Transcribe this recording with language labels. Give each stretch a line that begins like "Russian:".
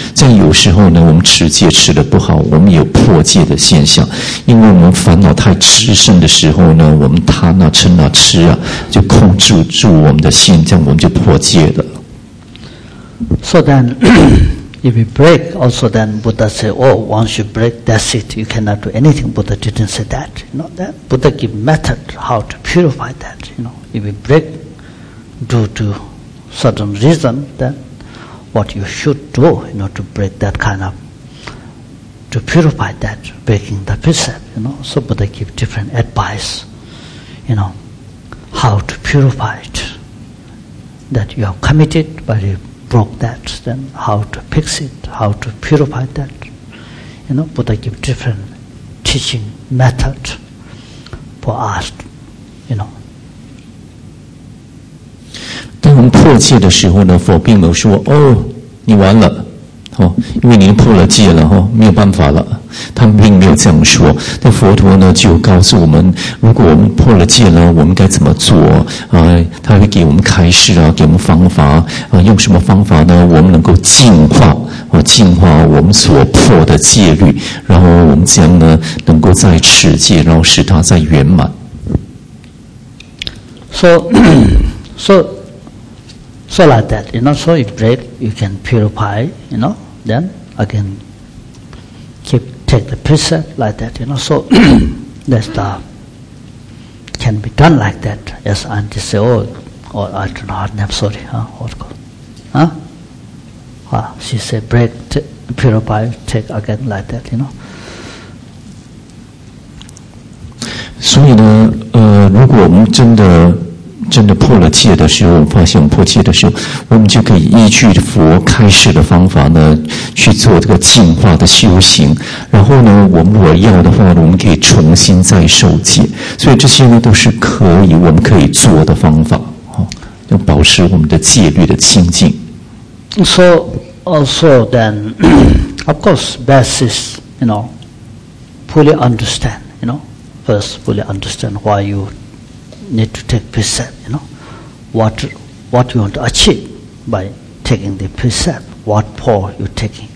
Chinese: 在有时候呢，我们持戒持得不好，我们有破戒的现象，因为我们烦恼太炽盛的时候呢，我们贪啊、嗔啊、痴啊，就控制住我们的心，这样我们就破戒了。
English: So then, if you break, also then Buddha say, oh, once you break, that's it, you cannot do anything. Buddha didn't say that. You know, then Buddha give method how to purify that. You know, if you break due to certain reason, then what you should do, you know, to break that kind of, to purify that, breaking the precept, you know. So Buddha give different advice, you know, how to purify it, that you have committed, but you,broke that, then how to fix it, how to purify that. You know, Buddha give different teaching method for us, you know.
Chinese: 当我们破戒的时候呢，佛并没有说哦，你完了，哦，因为您破了戒了，哦，没有办法了。他们并没有这样说，但佛陀呢就告诉我们，如果我们破了戒呢，我们该怎么做啊？他会给我们开示啊，给我们方法啊，用什么方法呢？我们能够净化啊，净化我们所破的戒律，然后我们将呢能够再持戒，然后使它再圆满。
English: So like that, you know. So you break, you can purify, you know. Then again. Take the precept like that, you know. So that's the can be done like that. Yes, auntie say, oh, I don't know her name. Sorry, she say break, purify, take again like that, you know.
Chinese: 所以呢，如果我们真的破了戒的时候，发现我们破戒的时候，我们就可以依据佛开示的方法呢去做这个净化的修行。然后呢，我们如果要的话，我们可以重新再受戒。所以这些呢都是可以我们可以做的方法，要保持我们的戒律的清净。
English: So also then Of course, best is, you know, fully understand, you know. First, fully understand why you need to take precept, you know. What you want to achieve by taking the precept, what for you're taking.